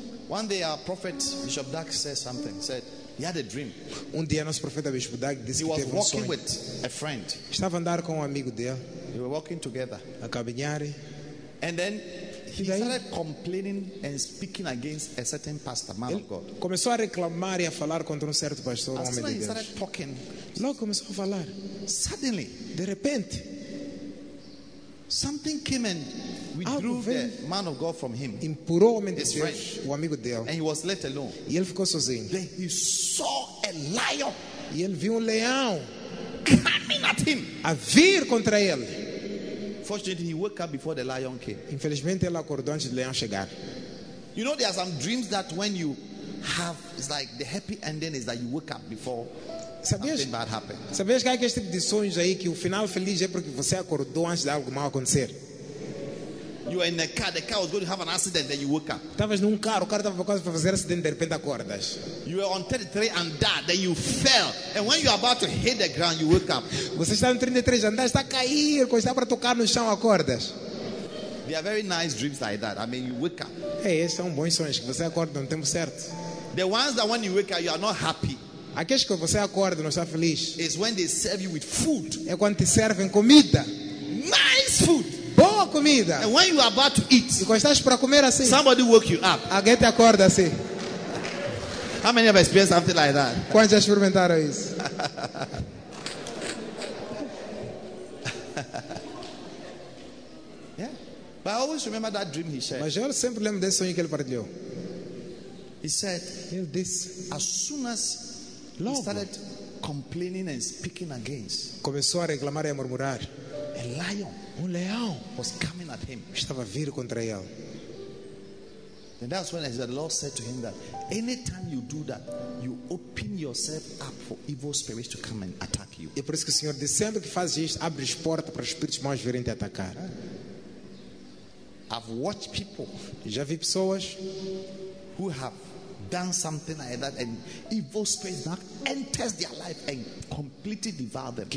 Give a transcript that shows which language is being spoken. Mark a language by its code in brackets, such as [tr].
[en] One day our prophet Bishop Dark says something. Said. He had a dream. [pt] Um dia nosso profeta Bispo Dag disse [en] he [pt] que teve um sonho. [en] With a friend. [pt] Estava a andar com um amigo dele. [en] They were walking together. [pt] A caminhar. [en] And then he started complaining and speaking against a certain pastor, man [pt] ele [en] of God. [pt] Começou a reclamar e a falar contra certo pastor, homem de Deus. [en] Started talking. [pt] Logo começou a falar. [en] Suddenly, [pt] de repente, [en] something came and withdrew the man of God from him. [pt] Empurrou o homem de Deus, o amigo dele. [en] And he was left alone. [pt] E ele ficou sozinho. [en] Then he saw a lion. [pt] E ele viu leão [en] coming at him. [pt] A vir contra ele. [en] Fortunately, he woke up before the lion came. [pt] Infelizmente, ele acordou antes do leão chegar. [en] You know, there are some dreams that when you have, it's like the happy ending is that you woke up before. [pt] Sabias que há este tipo de sonhos aí que o final feliz é porque você acordou antes de algo mal acontecer. [en] You were in a car, the car was going to have an accident, then you woke up. [pt] Estavas num carro, o carro estava quase para fazer acidente, de repente acordas. [en] You were on 33 and died, then you fell. And when you are about to hit the ground, you woke up. [pt] Você está no [en] 33 and died, [pt] está a cair, quando está para tocar no chão, acordas. [en] They are very nice dreams like that. I mean, you wake up. [pt] Hey, esses são bons sonhos, que você acorda no tempo certo. [en] The ones that when you wake up, you are not happy. [pt] Aqueles que você acorda não está feliz. [en] Is when they serve you with food. [pt] É quando te servem comida. [en] Nice food. [pt] Boa comida. [en] And when you are about to eat, [pt] e quando estás para comer assim, [en] somebody woke you up. [pt] Alguém te acorda assim. [en] How many have experienced something like that? [pt] Quantos já experimentaram isso? [en] But I always remember that dream he shared. [pt] Mas eu sempre lembro desse sonho que ele partilhou. [en] He said, [pt] ele disse, [en] as soon as [pt] logo, [en] he started complaining and speaking against, [pt] começou a reclamar e a murmurar, [en] a lion, [pt] um leão, [en] was coming at him. [pt] Estava a vir contra ele. [en] And that's when the Lord said to him that anytime you do that, you open yourself up for evil spirits to come and attack you. [pt] E por isso que o Senhor disse, sempre que fazes isso, abres porta para os espíritos maus virem te atacar. [en] I've watched people, [pt] já vi pessoas, [en] who have done something like that and evil spirits now enters their life and completely devour them.